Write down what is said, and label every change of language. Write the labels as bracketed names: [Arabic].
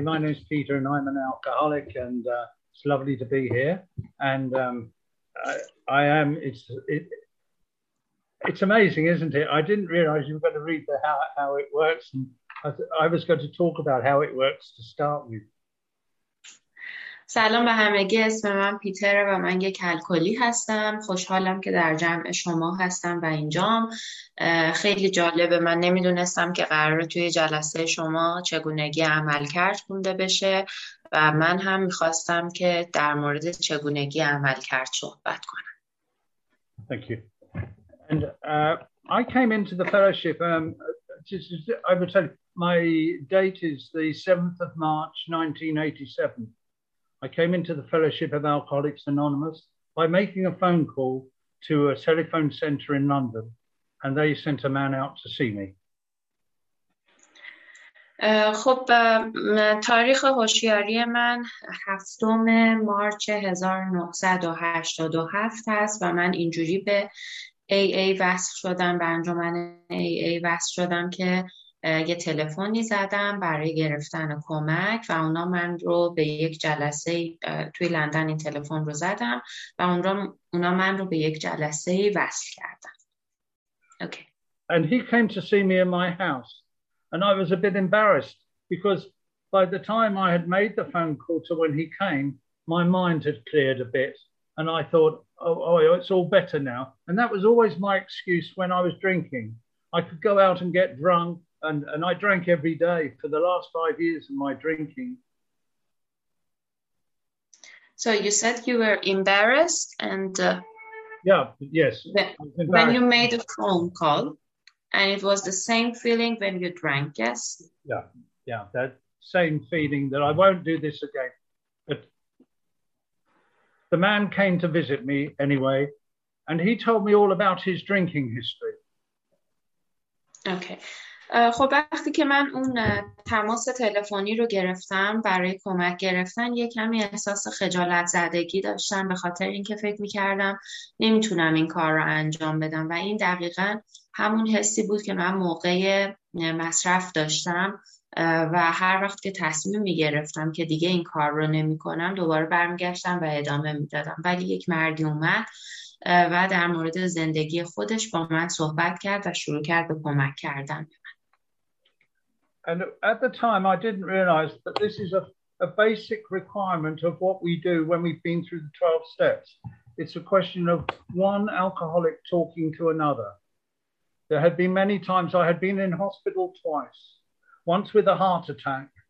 [English] My name is Peter, and I'm an alcoholic. And it's lovely to be here. And I am. It's amazing, isn't it? I didn't realize you were going to read the how it works, and I was going to talk about how it works to start with. [Persian] سلام به همگی، اسم من پیتره و من یک الکلی هستم. خوشحالم که در جمع شما هستم و اینجام. خیلی جالبه، من نمیدونستم که قراره توی جلسه شما چگونگی عملکرد خونده بشه و من هم میخواستم که در مورد چگونگی عملکرد صحبت کنم. [English] Thank you. And I came into the fellowship. I will tell you, my date is the 7th of March 1987. I came into the Fellowship of Alcoholics Anonymous by making a phone call to a telephone center in London, and they sent a man out to see me. [Persian] خب تاریخ هوشیاری من 7 مارچ 1987 است و من اینجوری به AA وصل شدم، به انجمن AA وصل شدم که یه تلفنی زدم برای گرفتن کمک و اونا من رو به یک جلسه توی لندن، این تلفن رو زدم و اونا من رو به یک جلسه وصل کردن. [English] Okay. And he came to see me in my house and I was a bit embarrassed because by the time I had made the phone call to when he came, my mind had cleared a bit and I thought, oh, it's all better now. And that was always my excuse when I was drinking. I could go out and get drunk. And I drank every day for the last 5 years of my drinking. So you said you were embarrassed and... Yes. When you made a phone call and it was the same feeling when you drank, yes? Yeah, that same feeling that I won't do this again. But the man came to visit me anyway and he told me all about his drinking history. Okay. [Persian] خب وقتی که من اون تماس تلفنی رو گرفتم برای کمک گرفتن، یک کمی احساس خجالت زدگی داشتم به خاطر اینکه فکر می‌کردم نمیتونم این کار رو انجام بدم و این دقیقا همون حسی بود که من موقع مصرف داشتم و هر وقت که تصمیم می‌گرفتم که دیگه این کار رو نمی‌کنم دوباره برمیگشتم و ادامه می‌دادم، ولی یک مردی اومد و در مورد زندگی خودش با من صحبت کرد و شروع کرد به کمک کردن. [English] And at the time, I didn't realize that this is a basic requirement of what we do when we've been through the 12 steps. It's a question of one alcoholic talking to another. There had been many times I had been in hospital twice, once with a heart attack.